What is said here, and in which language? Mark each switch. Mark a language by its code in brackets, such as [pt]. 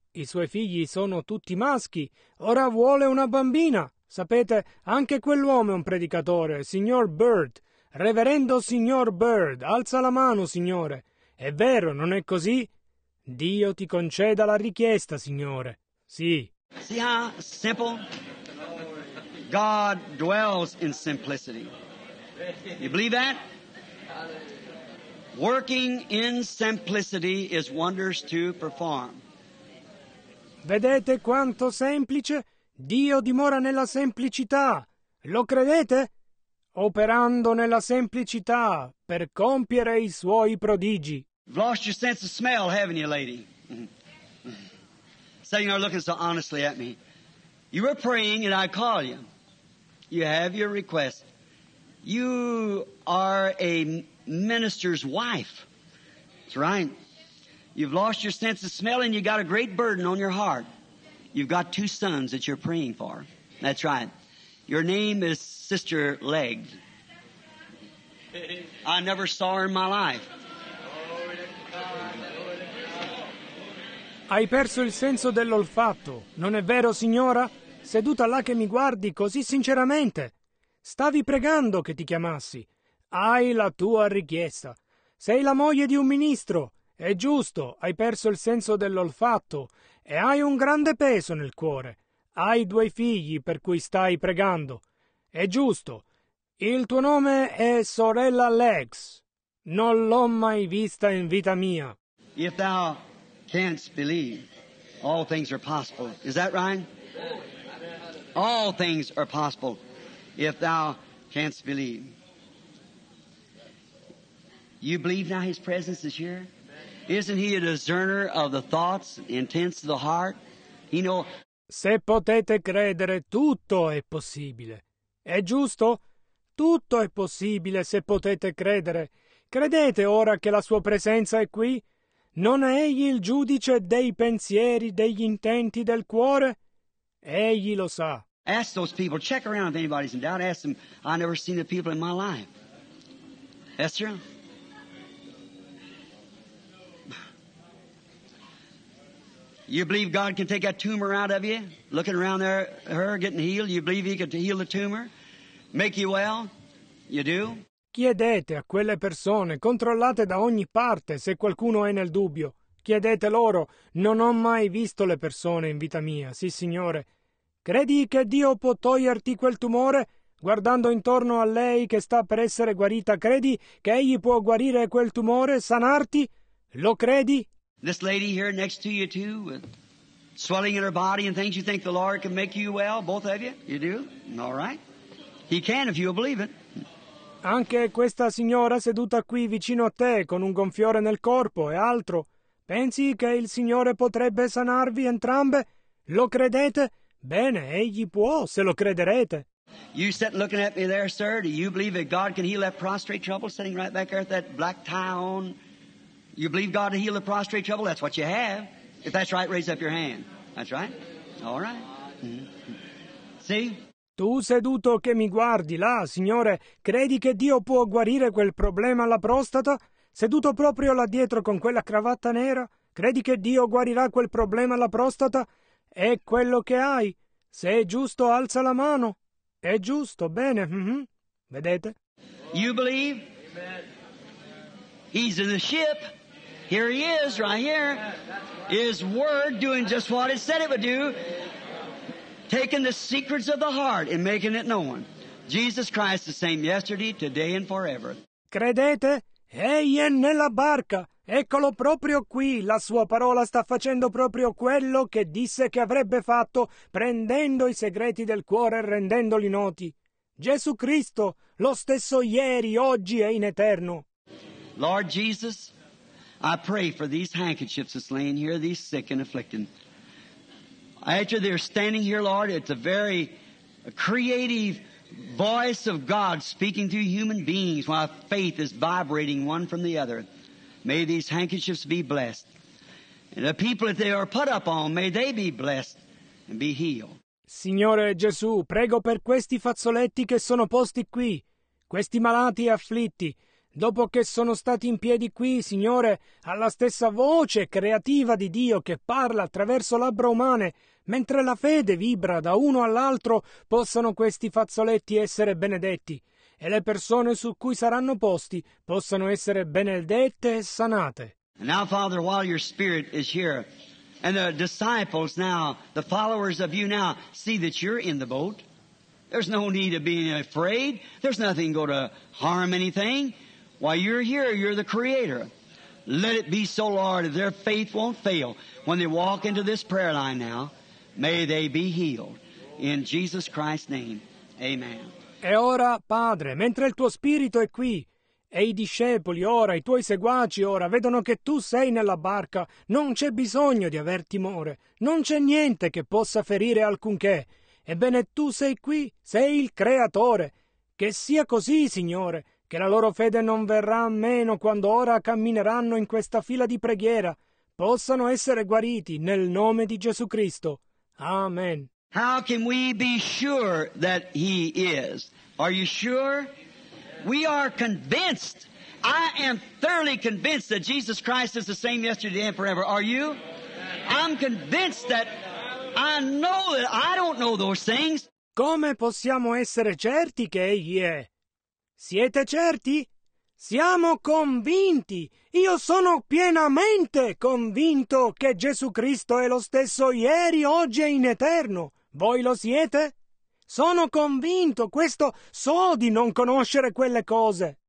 [it] I suoi figli sono tutti maschi. Ora vuole una bambina. Sapete, anche quell'uomo è un predicatore. Signor Bird. Reverendo signor Bird. Alza la mano, signore. È vero, non è così? Dio ti conceda la richiesta, signore. Sì. [en] See how simple? God dwells in simplicity. You believe that? Working in simplicity is wonders to perform. Vedete quanto semplice? Dio dimora nella semplicità. Lo credete? Operando nella semplicità per compiere i suoi prodigi. You've lost your sense of smell, haven't you, lady? Sitting there looking so honestly at me. You were praying and I call you. You have your request. You are a minister's wife. That's right. You've lost your sense of smell and you got a great burden on your heart. You've got two sons that you're praying for. That's right. Your name is Sister Leg. I never saw her in my life. [it] Hai perso il senso dell'olfatto, non è vero, signora? Seduta là che mi guardi così sinceramente. Stavi pregando che ti chiamassi. Hai la tua richiesta. Sei la moglie di un ministro. È giusto, hai perso il senso dell'olfatto e hai un grande peso nel cuore. Hai due figli per cui stai pregando. È giusto. Il tuo nome è Sorella Lex. Non l'ho mai vista in vita mia. [en] If thou canst believe, all things are possible. Is that right? All things are possible if thou canst believe. You believe now his presence is here? Isn't he a discerner of the thoughts, the intents of the heart? He know. [it] Se potete credere, tutto è possibile. È giusto? Tutto è possibile se potete credere. Credete ora che la sua presenza è qui? Non è egli il giudice dei pensieri, degli intenti del cuore? Egli lo sa. [en] Ask those people, check around if anybody's in doubt, ask them, I've never seen the people in my life. Esther? You believe God can take that tumor out of you? Looking around there, her getting healed, you believe he could heal the tumor? Make you well? You do? [it] Chiedete a quelle persone, controllate da ogni parte, se qualcuno è nel dubbio. Chiedete loro, non ho mai visto le persone in vita mia, sì signore. Credi che Dio può toglierti quel tumore? Guardando intorno a lei che sta per essere guarita, credi che egli può guarire quel tumore, sanarti? Lo credi? [en] This lady here next to you too, with swelling in her body and things, you think the Lord can make you well, both of you? You do? All right. He can if you believe it. [it] Anche questa signora seduta qui vicino a te con un gonfiore nel corpo e altro, pensi che il Signore potrebbe sanarvi entrambe? Lo credete? Bene, egli può, se lo crederete. [en] You sit looking at me there, sir. Do you believe that God can heal that prostrate trouble sitting right back there at that black town? You believe God to heal the prostrate trouble? That's what you have. If that's right, raise up your hand. That's right. All right. See? [it] Tu seduto che mi guardi là, signore, credi che Dio può guarire quel problema alla prostata? Seduto proprio là dietro con quella cravatta nera, credi che Dio guarirà quel problema alla prostata? È quello che hai. Se è giusto, alza la mano. È giusto, bene. Vedete? [en] You believe? He's in the ship. Here he is, right here. His word doing just what it said it would do. taking the secrets of the heart and making it known. Jesus Christ the same yesterday, today and forever. [it] Credete? Egli è nella barca. Eccolo proprio qui. La sua parola sta facendo proprio quello che disse che avrebbe fatto, prendendo i segreti del cuore e rendendoli noti. Gesù Cristo, lo stesso ieri, oggi e in eterno. [en] Lord Jesus, I pray for these handkerchiefs that's laying here, these sick and afflicted. After they're standing here, Lord, it's a very creative voice of God speaking to human beings while faith is vibrating one from the other. May these handkerchiefs be blessed. And the people that they are put up on, may they be blessed and be healed. [it] Signore Gesù, prego per questi fazzoletti che sono posti qui, questi malati e afflitti. Dopo che sono stati in piedi qui, Signore, alla stessa voce creativa di Dio che parla attraverso labbra umane, mentre la fede vibra da uno all'altro, possano questi fazzoletti essere benedetti e le persone su cui saranno posti possano essere benedette e sanate. [en] Now, Father, while your spirit is here, and the disciples now, the followers of you now, see that you're in the boat. There's no need of being afraid. There's nothing going to harm anything. While you're here, you're the Creator. Let it be so, Lord, if their faith won't fail, when they walk into this prayer line now, may they be healed. In Jesus Christ's name, amen. [it] E ora, Padre, mentre il tuo spirito è qui, e i discepoli ora, i tuoi seguaci ora, vedono che tu sei nella barca, non c'è bisogno di aver timore, non c'è niente che possa ferire alcunché. Ebbene, tu sei qui, sei il Creatore. Che sia così, Signore, che la loro fede non verrà a meno quando ora cammineranno in questa fila di preghiera, possano essere guariti nel nome di Gesù Cristo. Amen. [en] How can we be sure that He is? Are you sure? We are convinced. I am thoroughly convinced that Jesus Christ is the same yesterday and forever. Are you? I'm convinced that I know that I don't know those things. [it] Come possiamo essere certi che Egli è? Siete certi? Siamo convinti. Io sono pienamente convinto che Gesù Cristo è lo stesso ieri, oggi e in eterno. Voi lo siete? Sono convinto. Questo so di non conoscere quelle cose.